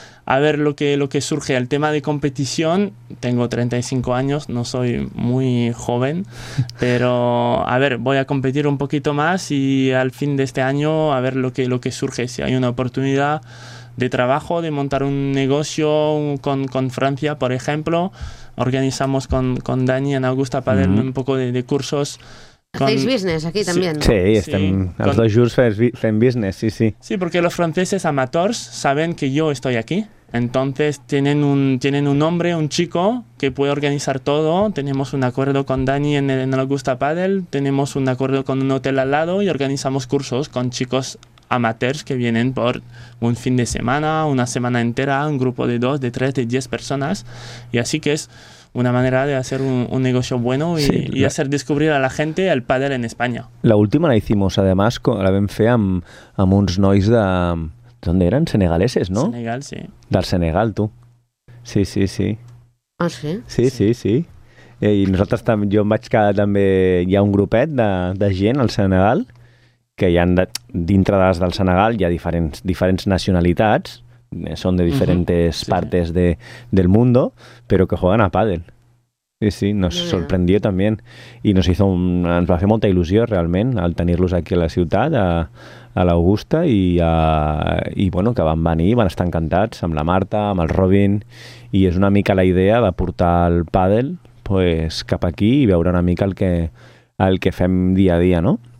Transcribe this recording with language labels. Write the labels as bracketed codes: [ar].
[es] A ver lo que surge. El tema de competición, tengo 35 años, no soy muy joven, pero a ver, voy a competir un poquito más y al fin de este año a ver lo que surge. Si hay una oportunidad de trabajo, de montar un negocio con Francia, por ejemplo, organizamos con Dani en Augusta Padel un poco de cursos. Hacéis business aquí también. [ca] Sí, sí, estem, sí, els dos jurs fem business, sí, sí. [es] Sí, porque los franceses amateurs saben que yo estoy aquí. Entonces tienen un hombre, un chico, que puede organizar todo. Tenemos un acuerdo con Dani en el Augusta Padel. Tenemos un acuerdo con un hotel al lado y organizamos cursos con chicos amateurs que vienen por un fin de semana, una semana entera, un grupo de 2, de 3, de 10 personas. Y así que es una manera de hacer un negocio bueno y, sí, y hacer descubrir a la gente el pádel en España. La última la hicimos, además, [ca] la vam fer amb uns nois de... [es] ¿Dónde eran? Senegaleses, ¿no? Senegal, sí. Del Senegal, tú. Sí, sí, sí. Ah, sí? Sí, sí, sí, sí. [ca] I nosaltres també, jo em vaig quedar també, hi ha un grupet de gent al Senegal, que hi ha dintre de les del Senegal hi ha diferents nacionalitats, són de diferents partes sí, sí. [es] Del mundo, [ca] però que juguen a pàdel. [es] Sí, sí, nos sorprendió també. [ca] I ens va fer molta il·lusió, realment, al tenir-los aquí a la ciutat, a l'Augusta, i bueno, que van venir, van estar encantats amb la Marta, amb el Robin, i és una mica la idea de portar el pàdel pues, cap aquí i veure una mica el que fem dia a dia, no?